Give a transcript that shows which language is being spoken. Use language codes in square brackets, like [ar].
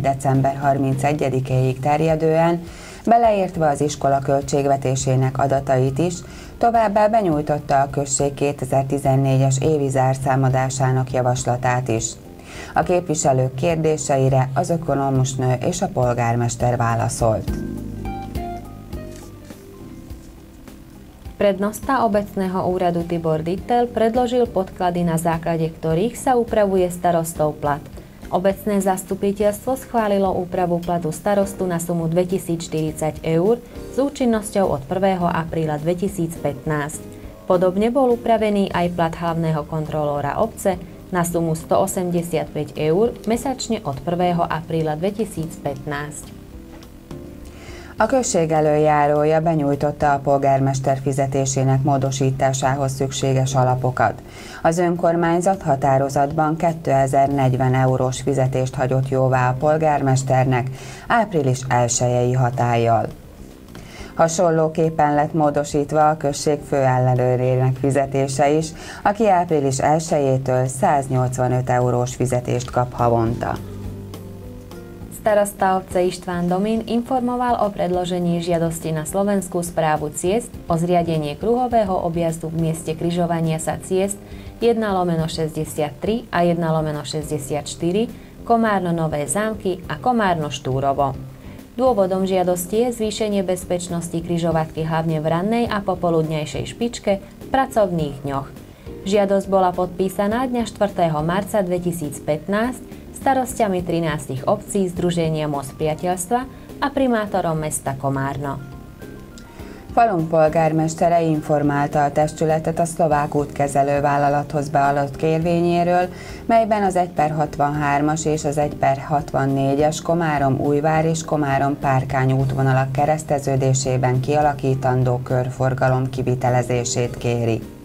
[hu] december 31-éig terjedően, beleértve az iskola költségvetésének adatait is, továbbá benyújtotta a község 2014-es évi zárszámadásának javaslatát is. A képviselők kérdéseire az ökonómusnő és a polgármester válaszolt. [sk] Prednosta obecného úradu Tibor Dittel predložil podklady, na základe ktorých sa upravuje starostov plat. Obecné zastupiteľstvo schválilo úpravu platu starostu na sumu 2040 eur s účinnosťou od 1. apríla 2015. Podobne bol upravený aj plat hlavného kontrolóra obce na sumu 185 eur mesačne od 1. apríla 2015. [hu] A község előjárója benyújtotta a polgármester fizetésének módosításához szükséges alapokat. Az önkormányzat határozatban 2040 eurós fizetést hagyott jóvá a polgármesternek április 1-i hatállyal. Hasonlóképpen lett módosítva a község főellenőrének fizetése is, aki április 1-től 185 eurós fizetést kap havonta. [sk] Starosta obce István Domín informoval o predložení žiadosti na Slovenskú správu ciest o zriadenie kruhového objazdu v mieste križovania sa ciest 1/63 a 1/64 Komárno Nové Zámky a Komárno Štúrovo. Dôvodom žiadosti je zvýšenie bezpečnosti križovatky hlavne v rannej a popoludnejšej špičke v pracovných dňoch. Žiadosť bola podpísaná dňa 4. marca 2015 starostiami 13 obcí Združenia Most Priateľstva a primátorom mesta Komárno. [hu] Falunk polgármestere informálta a testületet a Szlovák útkezelő vállalathoz beadott kérvényéről, melyben az 1/63-as és az 1/64-es Komárom-Újvár és Komárom-Párkány útvonalak kereszteződésében kialakítandó körforgalom kivitelezését kéri.